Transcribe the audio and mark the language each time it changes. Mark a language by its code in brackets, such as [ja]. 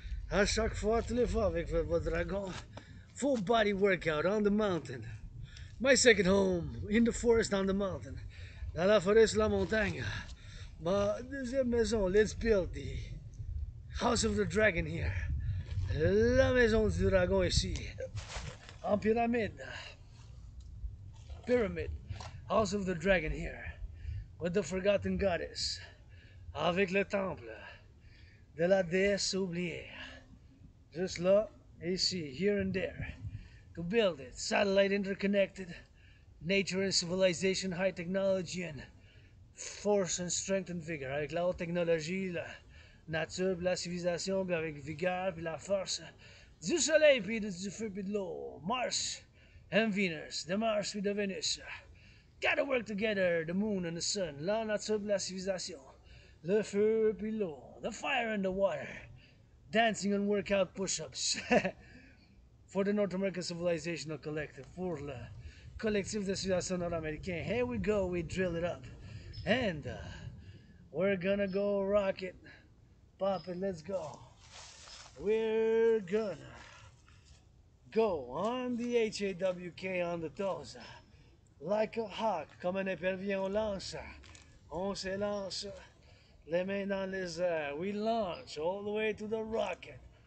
[fr] À chaque fois, tous les fois avec votre dragon. [en] Full body workout on the mountain. My second home, in the forest on the mountain. [fr] Dans la forêt sur la montagne. Ma deuxième maison, [en] let's build the house of the dragon here. [fr] La maison du dragon ici. En pyramide. Pyramid. [en] House of the dragon here. With the forgotten goddess. [fr] Avec le temple de la déesse oubliée. [en] Just là, ici, here and there. To build it, satellite interconnected, nature and civilization, high technology and force and strength and vigor. [fr] Avec la haute technologie, la nature, puis la civilisation, puis avec vigueur, puis la force. Du soleil, puis du feu, puis de l'eau. [en] Mars and Venus, the Mars with the Venus. Gotta work together, the moon and the sun. [fr] La nature, puis la civilisation. Le feu, puis l'eau. [en] The fire and the water. Dancing and workout push-ups. For the North American Civilizational Collective, for the Collectif de Civilisation Nord-Americain. Here we go, we drill it up. And we're gonna go rock it, pop it, let's go. We're gonna go on the HAWK on the toes. Like a hawk, [fr] comme un épervier, on se lance, les mains dans les airs. [en] We launch all the way to the rocket.